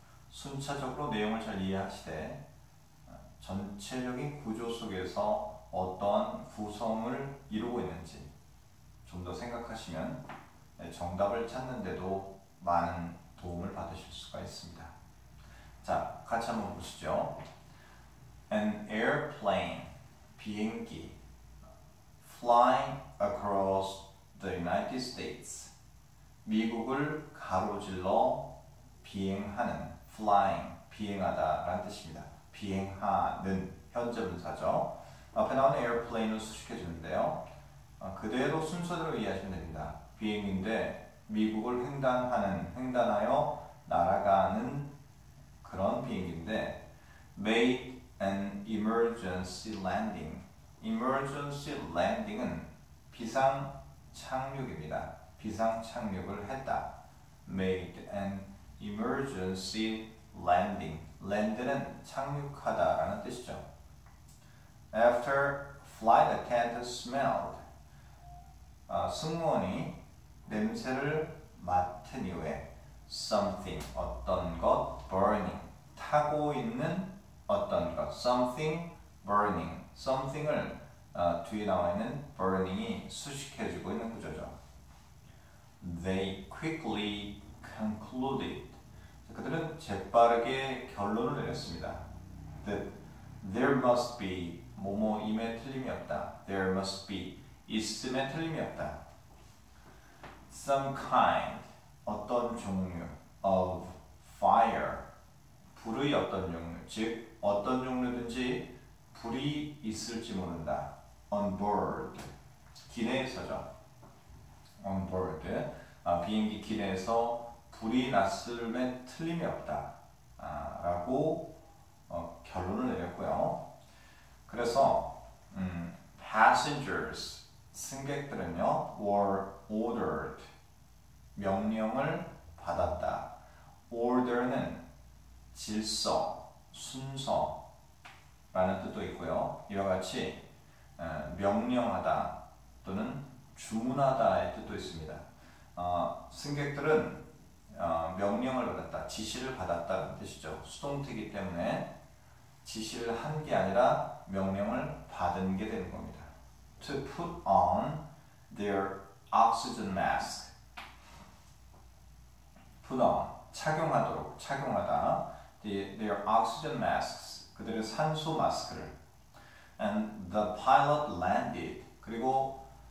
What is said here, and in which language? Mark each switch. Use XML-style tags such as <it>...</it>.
<ko>순차적으로 내용을 잘 이해하시되 전체적인 구조 속에서 어떤 구성을 이루고 있는지 좀 더 생각하시면 정답을 찾는데도 많은 도움을 받으실 수가 있습니다. 자, 같이 한번 보시죠.</ko> <en>An airplane,</en> <ko>비행기,</ko> <en>flying across the United States,</en> <ko>미국을 가로질러 비행하는,</ko> <en>flying,</en> <ko>비행하다 라는 뜻입니다. 비행하는, 현재 분사죠. 앞에 나온 airplane을 수식해 주는데요. 그대로 순서대로 이해하시면 됩니다. 비행인데 미국을 횡단하는, 횡단하여 날아가는 그런 비행기인데</ko> <en>made an emergency landing. emergency landing</en> <ko>은 비상착륙입니다. 비상착륙을 했다.</ko> <en>made an emergency landing.</en> <ko>land는 착륙하다 라는 뜻이죠.</ko> <en>after flight attendant smelled</en> <ko>승무원이 냄새를 맡은 이후에</ko> <en>something</en> <ko>어떤 것</ko> <en>burning</en> <ko>타고 있는 어떤 것</ko> <en>something burning something</en> <ko>을 뒤에 나와 있는 burning이 수식해주고 있는 구조죠.</ko> <en>They quickly concluded</en> <ko>그들은 재빠르게 결론을 내렸습니다.</ko> <en>That there must be</en> <ko>뭐뭐임에 틀림이 없다.</ko> <en>There must be</en> <ko>있음에 틀림이 없다.</ko> <en>Some kind,</en> <ko>어떤 종류</ko> <en>of fire,</en> <ko>불의 어떤 종류, 즉 어떤 종류든지 불이 있을지 모른다.</ko> <en>On board,</en> <ko>기내에서죠.</ko> <en>On board,</en> <ko>비행기 기내에서 불이 났음에 틀림이 없다. 라고 결론을 내렸고요. 그래서</ko> <en>passengers,</en> <ko>승객들은요,</ko> <en>were ordered.</en> <ko>명령을 받았다. Order는 질서, 순서라는 뜻도 있고요. 이와 같이 명령하다 또는 주문하다의 뜻도 있습니다. 승객들은 명령을 받았다, 지시를 받았다는 뜻이죠. 수동태이기 때문에 지시를 한 게 아니라 명령을 받은 게 되는 겁니다.</ko> <en>To put on their oxygen mask. put on,</en> <ko>착용하도록, 착용하다</ko> <en>their oxygen masks,</en> <ko>그들의 산소 마스크를</ko> <en>and the pilot landed,</en> <ko>그리고</ko>